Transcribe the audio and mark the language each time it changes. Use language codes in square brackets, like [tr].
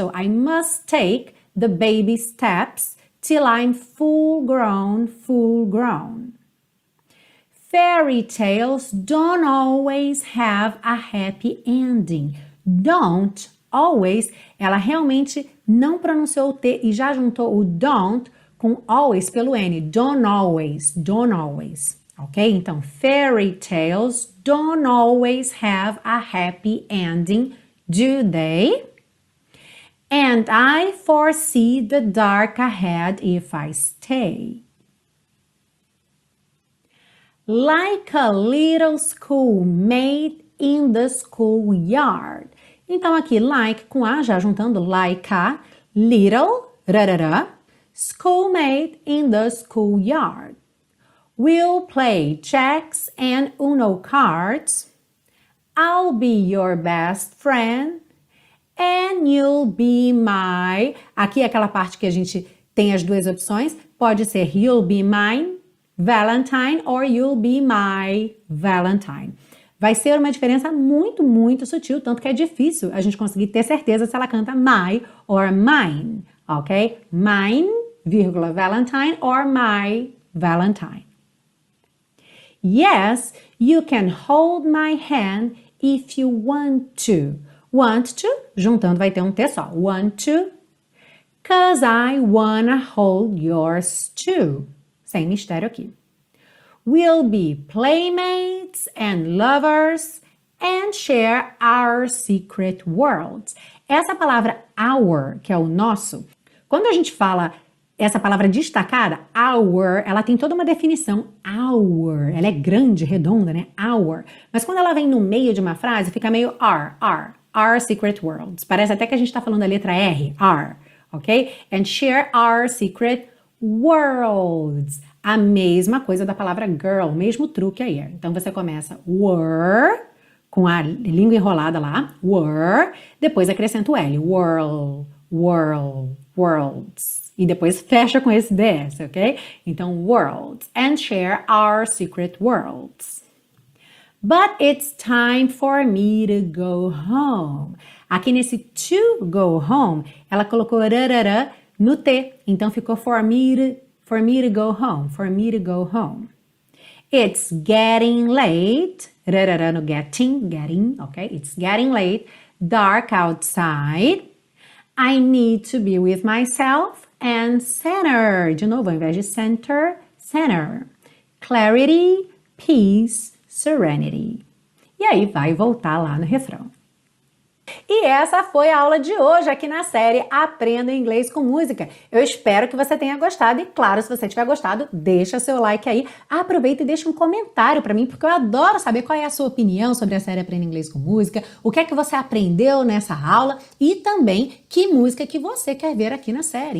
[en] So I must take the baby steps till I'm full grown, full grown. Fairy tales don't always have a happy ending. [pt] Don't, always, ela realmente não pronunciou o T e já juntou o don't com always pelo N. Don't always, ok? Então, [en] fairy tales don't always have a happy ending, do they? And I foresee the dark ahead if I stay. Like a little schoolmate in the schoolyard. [pt] Então, aqui, like com a, já juntando like a, little, rarara, [en] schoolmate in the schoolyard. We'll play checks and Uno cards. I'll be your best friend. And you'll be my. [pt] Aqui é aquela parte que a gente tem as duas opções. Pode ser [en] you'll be mine, Valentine, or you'll be my Valentine. [pt] Vai ser uma diferença muito, muito sutil, tanto que é difícil a gente conseguir ter certeza se ela canta my or mine, ok? Mine, vírgula, Valentine or my Valentine. [en] Yes, you can hold my hand if you want to. [pt] Want to, juntando, vai ter um T só. [en] Want to, 'cause I wanna hold yours too. [pt] Sem mistério aqui. [en] We'll be playmates and lovers and share our secret worlds. [pt] Essa palavra our, que é o nosso, quando a gente fala essa palavra destacada, our, ela tem toda uma definição, our. Ela é grande, redonda, né? Our. Mas quando ela vem no meio de uma frase, fica meio [en] our secret worlds. [pt] Parece até que a gente está falando a letra R, our, ok? [en] And share our secret worlds. [pt] A mesma coisa da palavra girl, o mesmo truque aí. Então você começa were, com a língua enrolada lá, were, depois acrescenta o L, world, world, worlds. E depois fecha com esse DS, ok? Então, worlds, [en] and share our secret worlds. But it's time for me to go home. [pt] Aqui nesse to go home, ela colocou rarara no T. Então, ficou [en] for me to go home. It's getting late. [pt] Rarara no getting, ok? [en] It's getting late. Dark outside. I need to be with myself. [pt] And center, de novo, ao invés de center, center. [en] Clarity, peace, serenity. [pt] E aí vai voltar lá no refrão. E essa foi a aula de hoje aqui na série Aprenda Inglês com Música. Eu espero que você tenha gostado e, claro, se você tiver gostado, deixa seu like aí. Aproveita e deixa um comentário para mim, porque eu adoro saber qual é a sua opinião sobre a série Aprenda Inglês com Música, o que é que você aprendeu nessa aula e também que música que você quer ver aqui na série.